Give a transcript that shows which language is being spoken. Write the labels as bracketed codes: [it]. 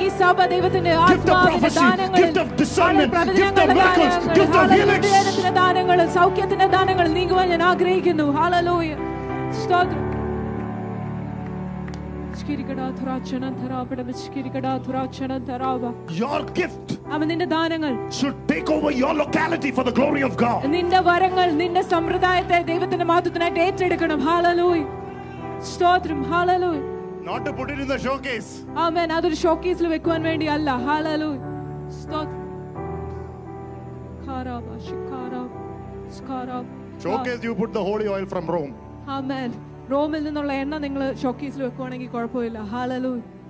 [ml] ഈ സഭ ദൈവത്തിന്റെ ആത്മാവിന്റെ ദാനങ്ങൾ, [en] gift of discernment, gift of miracles, gift of healing. [ml] ദൈവത്തിന്റെ ദാനങ്ങൾ, സൗഖ്യത്തിന്റെ ദാനങ്ങൾ നീങ്ങുവാൻ ഞാൻ ആഗ്രഹിക്കുന്നു. Hallelujah. സ്തോത്രം. ശിരികടാ ദുരാചന ധരാപട ശിരികടാ ദുരാചന ധരാവ. [en] Your gift. [ml] അമേൻ. നിന്റെ ദാനങ്ങൾ [en] should take over your locality for the glory of God. [ml] നിന്റെ വരങ്ങൾ നിന്റെ സമ്പ്രദായത്തെ ദൈവത്തിന്റെ മഹത്വത്തിനായി ഏറ്റെടുക്കണം. [en] Hallelujah. സ്തോത്രം. Hallelujah. Not to put it in the showcase. [ml] അമേൻ. അതൊരു ഷോക്കേസിൽ വെക്കുവാൻ വേണ്ടി അല്ല. Hallelujah. സ്തോത്രം. കാരാവ ശിഖാരാവ സ്കാരാവ. [en] Showcase, you put the holy oil from Rome. Amen. [ml] റോമിൽ നിന്നുള്ള എണ്ണ നിങ്ങൾ ഷോക്കേസിൽ വെക്കുകയാണെങ്കിൽ കുഴപ്പമില്ല. Hallelujah.